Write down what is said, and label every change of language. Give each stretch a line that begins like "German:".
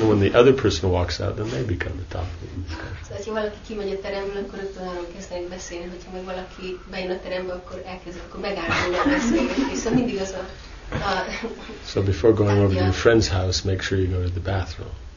English: And when the other person walks out, then they become the topic of discussion. So if
Hungarian: valaki kimegy a teremből, akkor rögtön arról kezdenek beszélni, hogyha meg valaki bejön a terembe, akkor elkezdenek, akkor megállnak a beszélgetés. Szóval mindig az a...
English: So before going over to your friend's house, make sure you go to the bathroom.